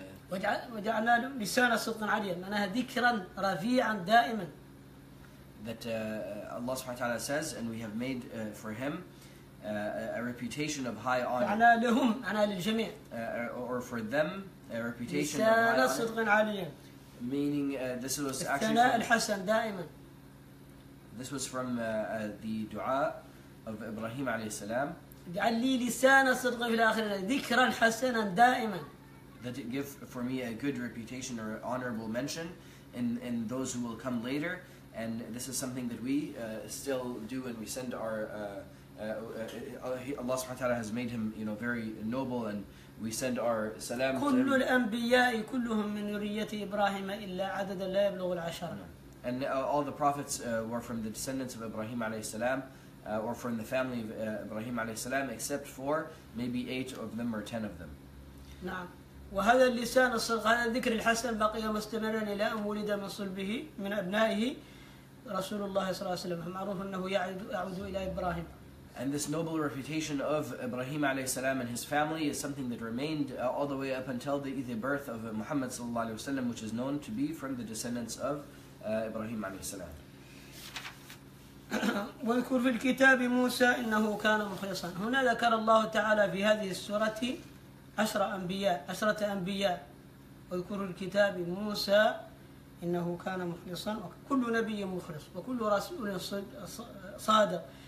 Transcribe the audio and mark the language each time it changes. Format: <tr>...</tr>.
<ar>وجعلنا لهم لسانا صدقا عليا معناها ذكرا رفيعا دائما.</ar> <en>That Allah subhanahu wa ta'ala says, and we have made for him a reputation of high honor.</en> <ar>معناها لهم معناها للجميع.</ar> <en>Or for them a reputation of high honor.</en> <ar>لسانا صدقا عليا.</ar> <en>Meaning this was actually</en> <ar>الثناء الحسن دائما.</ar> <en>This was from the dua of Ibrahim عليه السلام.</en> <ar>اجعل لي لسانا صدقا في الآخرة ذكرا حسنا دائما.</ar> <en>That it give for me a good reputation or honorable mention in those who will come later. And this is something that we still do, and we send our Allah subhanahu wa ta'ala has made him, you know, very noble, and we send our salam.</en> <ar>كل الأنبياء كلهم من ذرية إبراهيم إلا عددا لا يبلغ العشرة.</ar> <en>And all the prophets were from the descendants of Ibrahim عليه السلام. Or from the family of Ibrahim عليه السلام, except for maybe 8 of them or 10 of them.</en> <ar>نعم. وهذا اللسان الصدق هذا الذكر الحسن بقي مستمرا إلى أن ولد من صلبه من أبنائه رسول الله صلى الله عليه وسلم معروف أنه يعود إلى إبراهيم.</ar> <en>And this noble reputation of Ibrahim alayhi salam and his family is something that remained all the way up until the birth of Muhammad sallallahu alayhi wasallam, which is known to be from the descendants of Ibrahim alayhi salam.</en> <ar>وذكر في الكتاب موسى إنه كان مخلصا. هنا ذكر الله تعالى في هذه السورة عشرة أنبياء. وذكر الكتاب موسى إنه كان مخلصا. وكل نبي مخلص وكل رسول صادق.</ar>